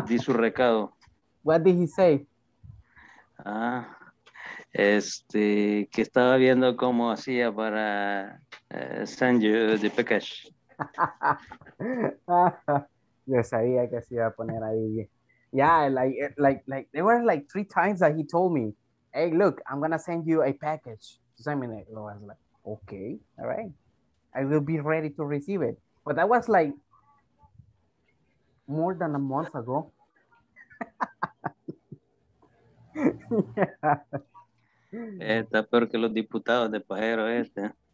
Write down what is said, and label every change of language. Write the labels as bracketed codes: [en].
[es] Di su recado. [en] What did he say? [es] Que estaba viendo cómo hacía para [en] send you the package. [es] Yo sabía que se iba a poner ahí. [en] Yeah, like there were like three times that he told me, hey, look, I'm going to send you a package. So I mean, I was like, okay, all right. I will be ready to receive it. But that was like more than a month ago. [es] Está peor que los diputados de Pajero este.